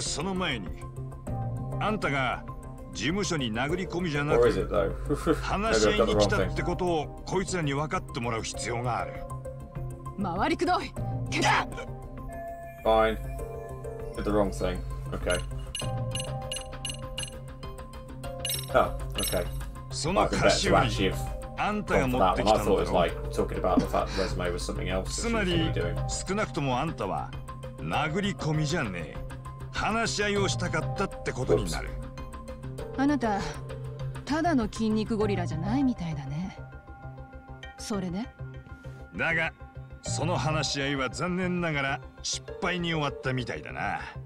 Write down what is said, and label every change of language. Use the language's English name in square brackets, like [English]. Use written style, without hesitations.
[Japanese] その前にあんたが事務所に殴り込みじゃなく話し合いに来たってことをこいつらに分かってもらう必要がある。回りくどい。フッ。 [English] Fine. Did the wrong thing. Okay. Oh, okay. [Japanese] その歌詞はあんたが持ってきたのだろう。 [English] I thought it was like talking about the fact the resume was something else. [Japanese] つまり少なくともあんたは殴り込みじゃねえ、話し合いをしたかったってことになる。あなた、ただの筋肉ゴリラじゃないみたいだね。それで？だが、その話し合いは残念ながら失敗に終わったみたいだな。